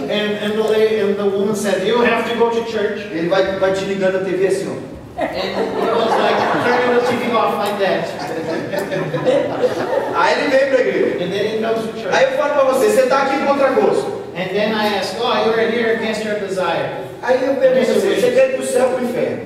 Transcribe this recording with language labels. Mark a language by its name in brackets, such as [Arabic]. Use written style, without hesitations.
[English] And the woman said, you have to go to church. [Portuguese] Ele vai te ligando a TV assim, ó. [English] And it was like turning the TV off like that. [Portuguese] Aí ele vem para a igreja. [English] And then he comes to church. [Portuguese] Aí eu falo para você, você está aqui contra gosto. [English] And then I ask, oh, you are here against your desire. [Portuguese] Aí eu pergunto, você quer ir para o céu ou inferno?